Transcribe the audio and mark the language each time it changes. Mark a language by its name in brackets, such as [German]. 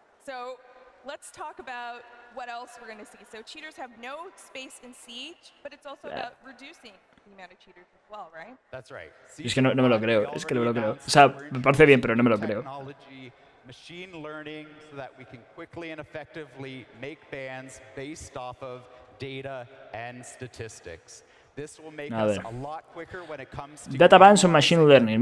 [English] So, let's talk about what else we're going to see. So, cheaters have no space in Siege, but it's also about reducing the amount of cheaters as well, right? That's right. [Spanish] Es que no me lo creo, es que no me lo creo. O sea, me parece bien, pero no me lo creo. [English] Machine learning so that we can quickly and effectively make bans based off of data and statistics. This will make us a lot quicker when it comes to data bans o machine learning.